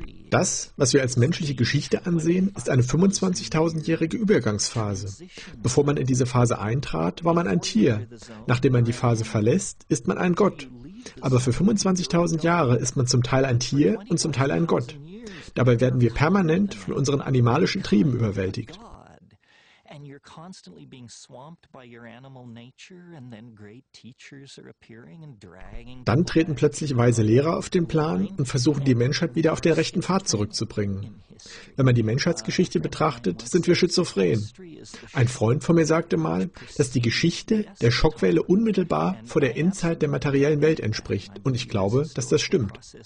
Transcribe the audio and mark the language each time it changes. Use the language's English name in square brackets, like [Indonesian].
[German] Das, was wir als menschliche Geschichte ansehen, ist eine 25.000-jährige Übergangsphase. Bevor man in diese Phase eintrat, war man ein Tier. Nachdem man die Phase verlässt, ist man ein Gott. Aber für 25.000 Jahre ist man zum Teil ein Tier und zum Teil ein Gott. Dabei werden wir permanent von unseren animalischen Trieben überwältigt. [English] And you're constantly being swamped by your animal nature, and then great teachers are appearing and dragging. [German] Dann treten plötzlich weise Lehrer auf den Plan und versuchen, die Menschheit wieder auf den rechten Pfad zurückzubringen. Wenn man die Menschheitsgeschichte betrachtet, sind wir schizophren. Ein Freund von mir sagte mal, dass die Geschichte der Schockwelle unmittelbar vor der Endzeit der materiellen Welt entspricht, und ich glaube, dass das stimmt.